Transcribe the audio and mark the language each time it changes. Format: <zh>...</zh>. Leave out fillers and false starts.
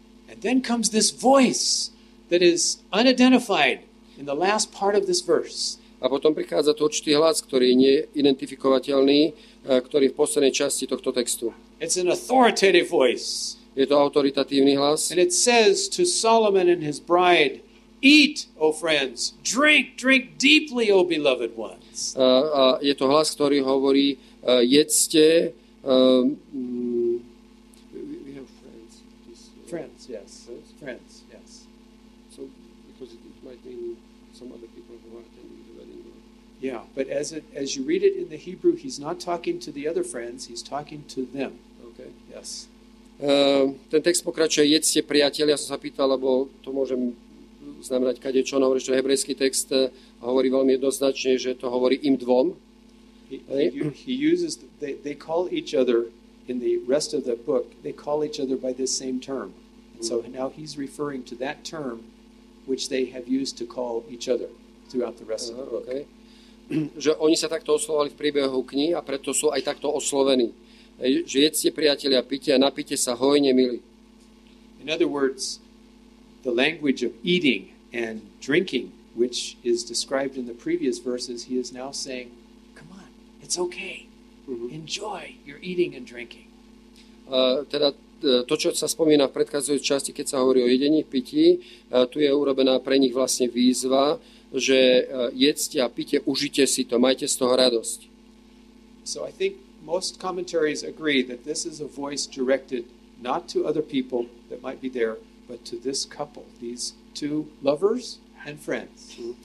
<en>And then comes this voice that is unidentified in the last part of this verse.</en> <sk>A potom prichádza to určitý hlas, ktorý je neidentifikovateľný, ktorý v poslednej časti tohto textu.</sk> <en>It's an authoritative voice.</en> <sk>Je to autoritatívny hlas.</sk> <en>And it says to Solomon and his bride, eat, O friends, drink deeply, O beloved ones.</en> <sk>A je to hlas, ktorý hovorí, jedzte.</sk> <en>We have friends. Friends, yes. Friends, yes. So, because it might mean some other people who are attending the wedding. Yeah, but as you read it in the Hebrew, he's not talking to the other friends, he's talking to them. Okay. Yes.</en> <sk>Ten text pokračuje, jedzte priatelia, ja som sa pýtal, lebo to môžem znamenať kadečo, on hovorí, že hebrejský text hovorí veľmi jednoznačne, že to hovorí im dvom.</sk> <en>He uses, they call each other in the rest of the book, they call each other by this same term. And so now he's referring to that term which they have used to call each other throughout the rest of the book. Okay.</en> <sk>Že oni sa takto oslovali v príbehu knihy a preto sú aj takto oslovení. Že jedzte priatelia, pite a napite sa hojne, milí.</sk> <en>In other words, the language of eating and drinking, which is described in the previous verses, he is now saying, come on, it's okay. Enjoy your eating and drinking.</en> <sk>Teda to, čo sa spomína v predchádzajúcej časti, keď sa hovorí o jedení, pití, tu je urobená pre nich vlastne výzva, že jedzte a pite, užite si to, majte z toho radosť.</sk> <en>So I think most commentaries agree that this is a voice directed not to other people that might be there, but to this couple, these two lovers and friends.</en>